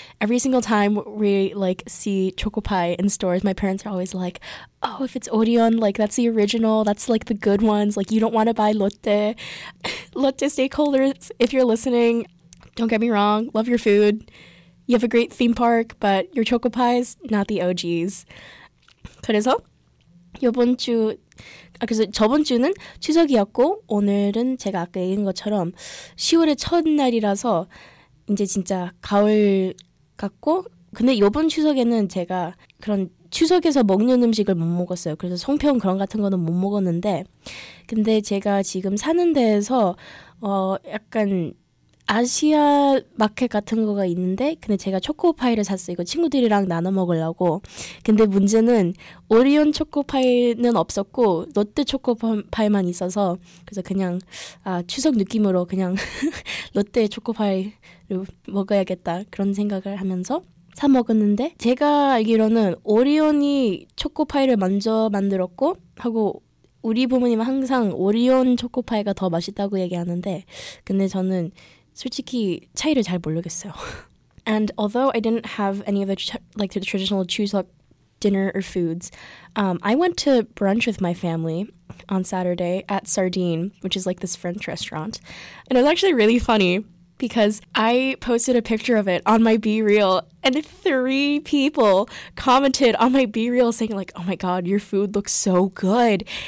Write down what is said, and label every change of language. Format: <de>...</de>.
<en>Every single time we like see choco pie in stores, my parents are always like, oh, if it's Orion, like that's the original. That's like the good ones. Like you don't want to buy Lotte. Lotte stakeholders, if you're listening, don't get me wrong, love your food. You have a great theme park, but your choco pies, not the OGs.</en> <ko>그래서 이번 주, 아, 그래서 저번 주는 추석이었고 오늘은 제가 아까 얘기한 것처럼 10월의 첫날이라서 이제 진짜 가을 같고 근데 이번 추석에는 제가 그런 추석에서 먹는 음식을 못 먹었어요. 그래서 송편 그런 같은 거는 못 먹었는데 근데 제가 지금 사는 데에서 약간 아시아 마켓 같은 거가 있는데 근데 제가 초코파이를 샀어요. 이거 친구들이랑 나눠 먹으려고. 근데 문제는 오리온 초코파이는 없었고 롯데 초코파이만 있어서 그래서 그냥 아 추석 느낌으로 그냥 롯데 초코파이를 먹어야겠다 그런 생각을 하면서 사 먹었는데 제가 알기로는 오리온이 초코파이를 먼저 만들었고 하고 우리 부모님은 항상 오리온 초코파이가 더 맛있다고 얘기하는데 근데 저는 솔직히 차이를 잘 모르겠어요.</ko> <en>And although I didn't have any of the the traditional Chuseok dinner or foods, I went to brunch with my family on Saturday at Sardine, which is like this French restaurant. And it was actually really funny because I posted a picture of it on my B-Reel and three people commented on my B-Reel saying like, oh my God, your food looks so good.</en>